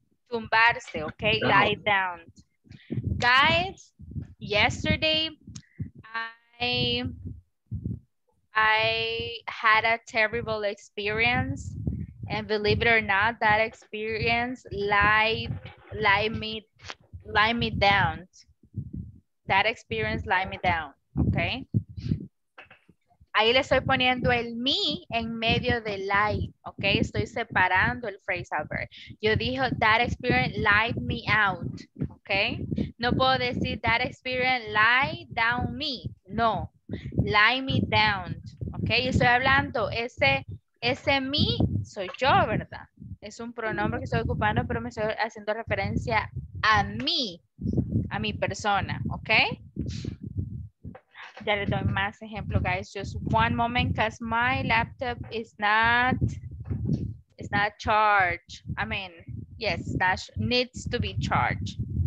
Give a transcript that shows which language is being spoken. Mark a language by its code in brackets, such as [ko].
[en] Tumbarse, okay? No. Lie down. Guys, yesterday I had a terrible experience. And believe it or not, that experience lied me down. That experience lied me down, okay? [es] Ahí le estoy poniendo el me en medio del lie, okay? Estoy separando el phrase over. Yo dijo, [en] that experience lied me out, okay? [es] No puedo decir, [en] that experience lied down me. [es] No, [en] lied me down, [es] okay? Estoy hablando, ese me soy yo, ¿verdad? Es un pronombre que estoy ocupando, pero me estoy haciendo referencia a mi persona, ¿ok? Ya le doy más ejemplo, guys. [en] Just one moment, because my laptop is not charged. I mean, yes, that needs to be charged.